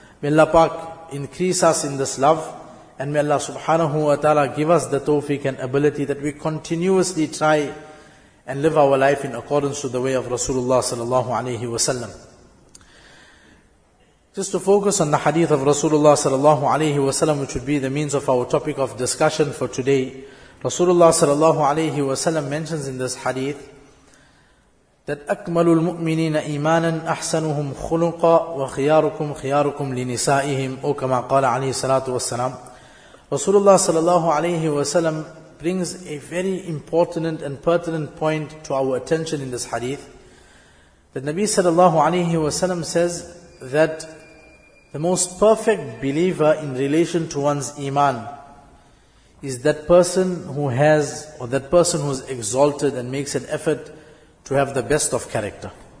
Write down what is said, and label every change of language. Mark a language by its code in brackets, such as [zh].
[en] May Allah Pak increase us in this love, and may Allah subhanahu wa ta'ala give us the tawfiq and ability that we continuously try and live our life in accordance to the way of Rasulullah sallallahu alayhi wa sallam. Just to focus on the hadith of Rasulullah sallallahu alayhi wa sallam, which would be the means of our topic of discussion for today. Rasulullah sallallahu alayhi wa sallam mentions in this hadith that [ar] أَكْمَلُ الْمُؤْمِنِينَ إِيمَانًا أَحْسَنُهُمْ خُلُقًا وَخِيَارُكُمْ خِيَارُكُمْ لِنِسَائِهِمْ أو كما قال عليه الصلاة والسلام. [en] Rasulullah sallallahu alayhi wa sallam brings a very important and pertinent point to our attention in this hadith. The Nabi sallallahu alayhi wa sallam says that the most perfect believer in relation to one's iman is that person who has, or that person who is exalted and makes an effort to have the best of character.